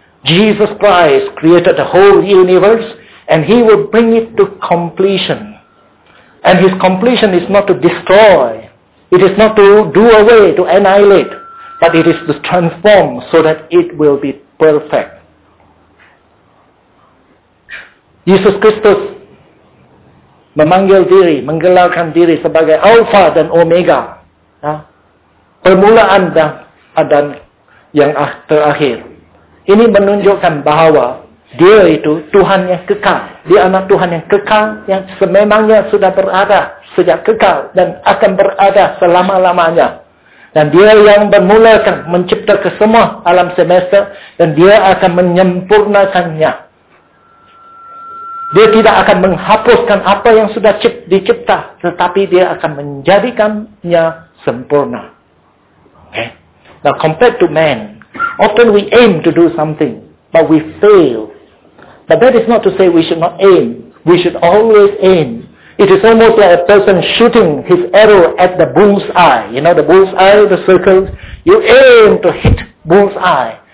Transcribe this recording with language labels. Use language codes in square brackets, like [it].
[en] Jesus Christ created the whole universe. And He will bring it to completion. And His completion is not to destroy. It is not to do away, to annihilate. But it is to transform so that it will be perfect. [ms] Yesus Kristus memanggil diri, menggelarkan diri sebagai Alpha dan Omega. Ya, permulaan dan yang terakhir. Ini menunjukkan bahwa Dia itu Tuhan yang kekal. Dia anak Tuhan yang kekal, yang sememangnya sudah berada sejak kekal dan akan berada selama-lamanya. Dan Dia yang memulakan, mencipta ke semua alam semesta, dan Dia akan menyempurnakannya. Dia tidak akan menghapuskan apa yang sudah dicipta, tetapi Dia akan menjadikannya sempurna. [en] Okay? Now, compared to man, often we aim to do something, but we fail. But that is not to say we should not aim. We should always aim. It is almost like a person shooting his arrow at the bull's eye. You know the bull's eye, the circles? You aim to hit bull's eye.